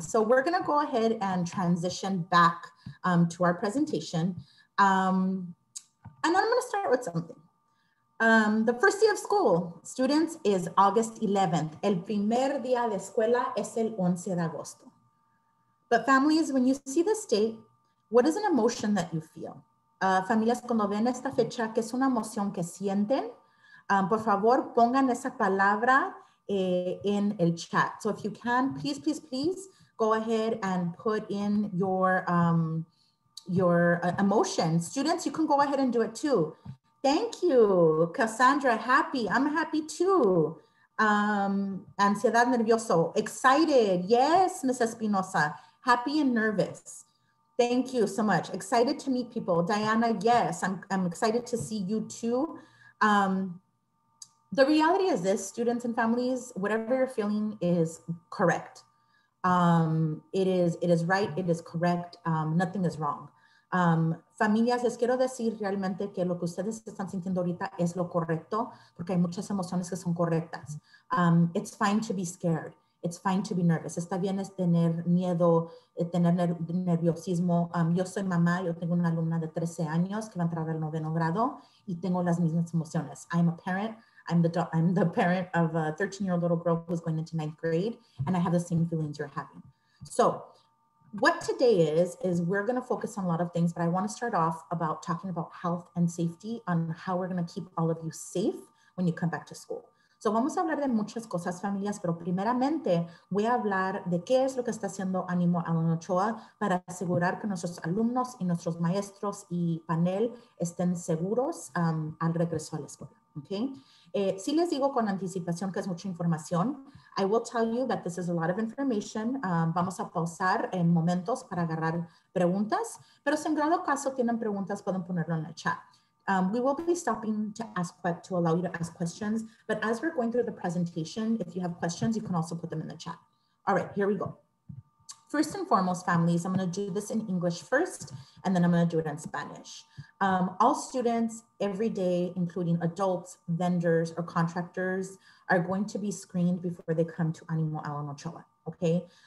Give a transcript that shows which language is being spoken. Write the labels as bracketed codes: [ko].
[en] So we're gonna go ahead and transition back to our presentation. And I'm gonna start with something. The first day of school, students, is August 11th. [es] El primer día de escuela es el 11 de agosto. [en] But families, when you see this date, what is an emotion that you feel? [es] Familias, cuando ven esta fecha, ¿qué es una emoción que sienten? Por favor, pongan esa palabra en el chat. [en] So if you can, please, please, please go ahead and put in your emotion. Students, you can go ahead and do it too. Thank you, Cassandra, happy. I'm happy too. [es] Ansiedad nervioso, [en] excited. Yes, Ms. Espinosa, happy and nervous. Thank you so much. Excited to meet people. Diana, yes, I'm excited to see you too. The reality is this, students and families, whatever you're feeling is correct. It is right, it is correct. Nothing is wrong. [es] Familias, les quiero decir realmente que lo que ustedes están sintiendo ahorita es lo correcto, porque hay muchas emociones que son correctas. [en] It's fine to be scared. It's fine to be nervous. [es] Está bien es tener miedo, tener nerviosismo. Yo soy mamá, yo tengo una alumna de 13 años que va a entrar al noveno grado y tengo las mismas emociones. [en] I'm a parent. I'm the parent of a 13-year-old little girl who's going into ninth grade, and I have the same feelings you're having. So, what today is we're going to focus on a lot of things, but I want to start off about talking about health and safety on how we're going to keep all of you safe when you come back to school. [es] So vamos a hablar de muchas cosas, familias, pero primeramente voy a hablar de qué es lo que está haciendo Ánimo Ellen Ochoa para asegurar que nuestros alumnos y nuestros maestros y panel estén seguros al regreso a la escuela. Okay. Si les digo con anticipación que es mucha información, [en] I will tell you that this is a lot of information. [es] Vamos a pausar en momentos para agarrar preguntas, pero si en grado caso tienen preguntas, pueden ponerlo en el chat. [en] We will be stopping to allow you to ask questions, but as we're going through the presentation, if you have questions, you can also put them in the chat. All right, here we go. First and foremost, families, I'm gonna do this in English first, and then I'm gonna do it in Spanish. All students every day, including adults, vendors, or contractors, are going to be screened before they come to Ánimo Ellen Ochoa, okay?